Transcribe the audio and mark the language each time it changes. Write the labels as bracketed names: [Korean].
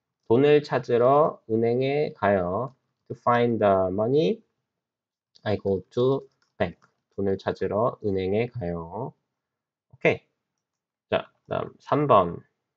[Korean] 돈을 찾으러 은행에 가요. [English] To find the money, I go to bank. [Korean] 돈을 찾으러 은행에 가요. 오케이. 자, 다음 3번.